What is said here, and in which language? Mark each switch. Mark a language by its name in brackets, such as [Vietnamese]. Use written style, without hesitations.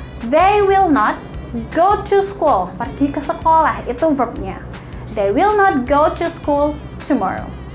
[English] They will not go to school. [Indonesian] Pergi ke sekolah, itu verbnya. [English] They will not go to school tomorrow.